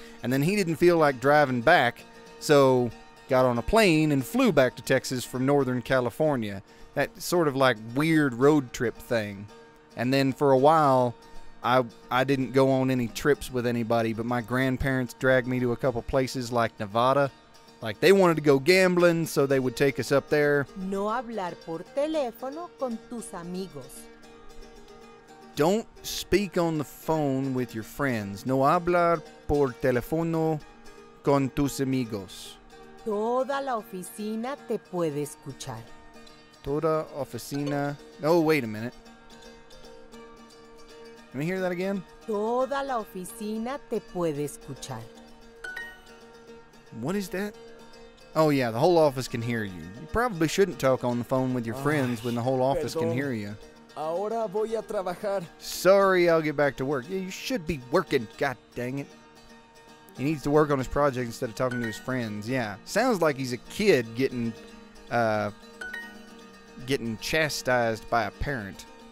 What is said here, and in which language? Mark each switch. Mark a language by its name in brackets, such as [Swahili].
[English] And then he didn't feel like driving back, so got on a plane and flew back to Texas from Northern California. That sort of like weird road trip thing. And then for a while, I didn't go on any trips with anybody, but my grandparents dragged me to a couple places like Nevada. Like they wanted to go gambling, so they would take us up there. [Spanish] No hablar por teléfono con tus amigos. [English] Don't speak on the phone with your friends. [Spanish] No hablar por teléfono con tus amigos. Toda la oficina te puede escuchar. Toda oficina. [English] Oh, wait a minute. Let me hear that again. [Spanish] Toda la oficina te puede escuchar. [English] What is that? Oh, yeah, the whole office can hear you. You probably shouldn't talk on the phone with your friends when the whole office can hear you. [Spanish] Ahora voy a trabajar. [English] Sorry, I'll get back to work. Yeah, you should be working. God dang it. He needs to work on his project instead of talking to his friends. Yeah, sounds like he's a kid getting chastised by a parent.